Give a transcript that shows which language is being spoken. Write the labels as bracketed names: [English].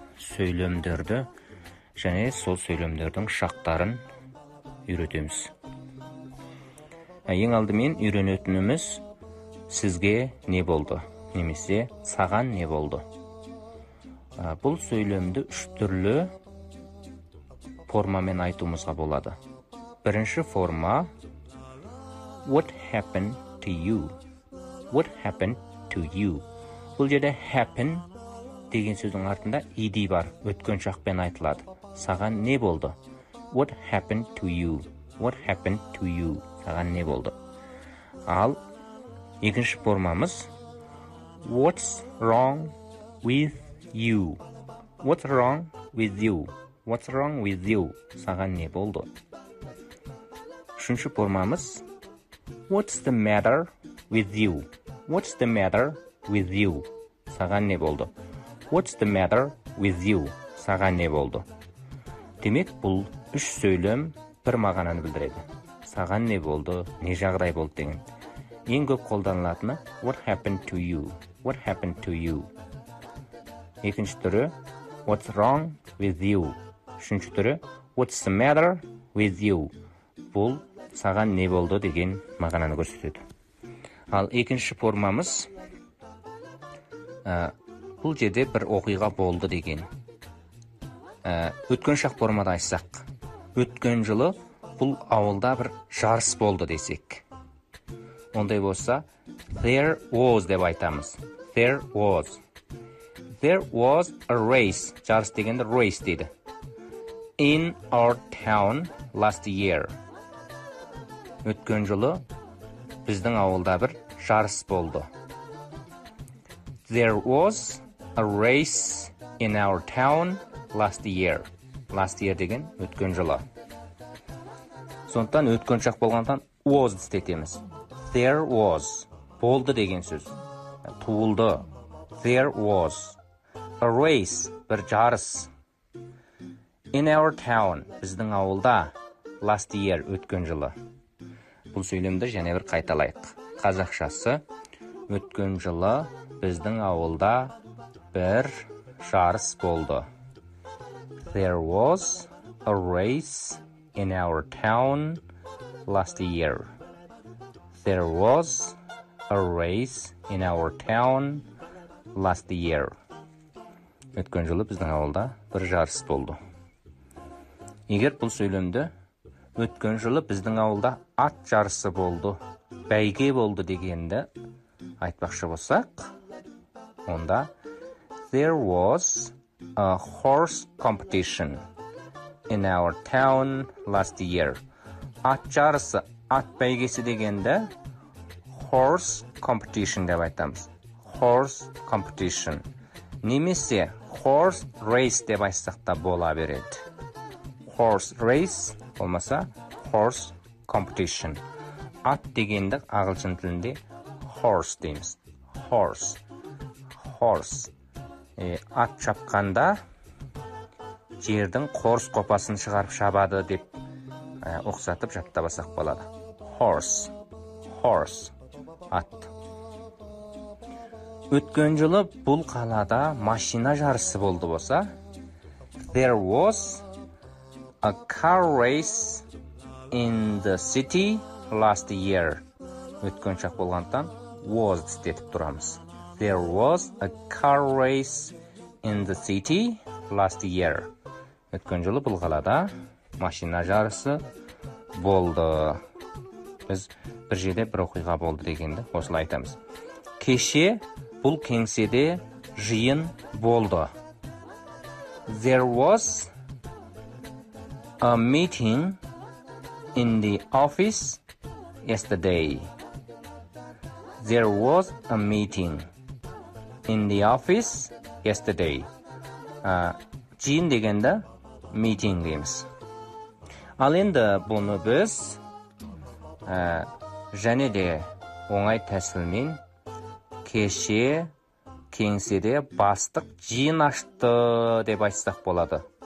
[Kazakh] сөйлемдерді және сол сөйлемдердің шақтарын үйретеміз. Ең алдымен үйренетініміз сізге не болды, немесе саған не болды. Бұл сөйлемді үш түрлі формамен айтуымызға болады. Бірінші форма [English] What happened to you? What happened to you? [Kazakh] Бұл жерде happen деген сөздің артында ed бар, өткен шақпен айтылады. Саған не болды? [English] What happened to you? What happened to you? [Kazakh] Саған не болды? Ал екінші формамыз [English] What's wrong with you? What's wrong with you? What's wrong with you? [Kazakh] Саған не болды? Үшінші формамыз [English] What's the matter with you? What's the matter with you? [Kazakh] Саған не болды? [English] What's the matter with you? [Kazakh] Саған не болды? Демек, бұл үш сөйлем бір мағананы білдіреді. Саған не болды, не жағдай болды деген. Ең көп қолданылатыны [English] What happened to you? What happened to you? [Kazakh] Екінші түрі [English] What's wrong with you? [Kazakh] Үшінші түрі [English] What's the matter with you? [Kazakh] Бұл саған не болды деген мағананы көрсетеді. Ал екінші формамыз бұл жерде бір оқиға болды деген. Өткен шақ формада айтсақ, өткен жылы бұл ауылда бір жарыс болды десек. Ондай болса, [English] there was [Kazakh] деп айтамыз. [English] There was. There was a race. [Kazakh] Жарыс дегенде race дейді. [English] In our town last year. [Kazakh] Өткен жылы біздің ауылда бір жарыс болды. [English] There was a race in our town last year. Last year [Kazakh] деген өткен жылы. Сондықтан өткен шақ болғандан was істетеміз. [English] There was. [Kazakh] Болды деген сөз. Туылды. [English] There was. A race. [Kazakh] Бір жарыс. [English] In our town. [Kazakh] Біздің ауылда. [English] Last year. [Kazakh] Өткен жылы. Бұл сөйлемді және бір қайталайық. Қазақшасы. Өткен жылы. Біздің ауылда. Бір жарыс болды. [English] There was a race in our town last year. There was a race in our town last year. [Kazakh] Өткен жылы біздің ауылда бір жарыс болды. Егер бұл сөйлемді өткен жылы біздің ауылда ат жарысы болды, бәйге болды дегенді айтпақшы болсақ, онда [English] There was a horse competition in our town last year. [Kazakh] Ат жарысы, ат бәйгесі дегенде [English] horse competition [Kazakh] деп айтамыз. [English] Horse competition. [Kazakh] Немесе horse race деп айтсақ та бола береді. [English] Horse race [Kazakh] болмаса [English] horse competition. [Kazakh] Ат дегенді ағылшын тілінде horse дейміз. [English] Horse. Horse. [Kazakh] Ат шапқанда жердің қорс қопасын шығарып шабады деп оқсатып жаттабасақ болады. [English] Horse. Horse. Ат. [Kazakh] Өткен жылы бұл қалада машина жарысы болды болса, [English] There was a car race in the city last year. [Kazakh] Өткен шақ болғандан was істетіп тұрамыз. [English] There was a car race in the city last year. [Kazakh] Өткен жылы бұл қалада машина жарысы болды. Біз бір жерде бір оқиға болды дегенді осылай айтамыз. Кеше бұл кеңседе жиын болды. [English] There was a meeting in the office yesterday. There was a meeting in the office yesterday. [Kazakh] Жиын дегенді meeting дейміз. Ал енді бұны біз және де оңай тәсілмен кеше кеңседе бастық жиын ашты деп айтсақ болады.